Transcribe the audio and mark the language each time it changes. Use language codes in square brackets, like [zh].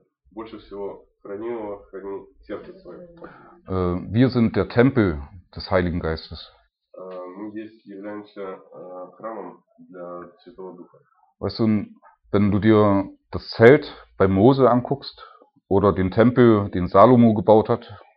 [ru] Больше всего хранимого храни сердце свое. [de] Wir sind der Tempel des Heiligen Geistes. [ru] Мы здесь являемся храмом для Святого Духа. [de] Weißt du, wenn du dir das Zelt bei Mose anguckst oder den Tempel, den Salomo gebaut hat,